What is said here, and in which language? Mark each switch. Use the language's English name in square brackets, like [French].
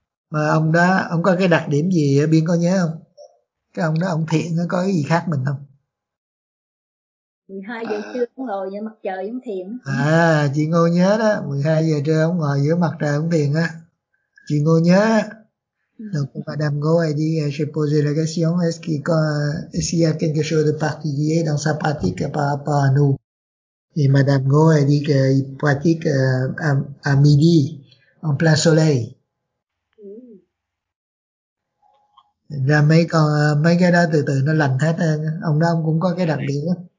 [Vietnamese] Mà ông đó, ông có cái đặc điểm gì ở Biên có nhớ không? Cái ông đó, ông thiện, nó có cái gì khác mình không? 12 giờ ông ngồi giữa mặt trời ông thiền. À, chị Ngô nhớ đó, 12 giờ trưa ông ngồi giữa mặt trời ông thiền á. Chị Ngô nhớ. [French] Donc madame Ngô a dit, j'ai posé la question, est-ce qu'il y a quelque chose de particulier dans sa pratique par rapport à nous? Et madame Ngô a dit qu'il pratique à midi en plein soleil. [Vietnamese] Là mấy cái đó từ từ nó lành hết, ông đó cũng có cái đặc điểm đó.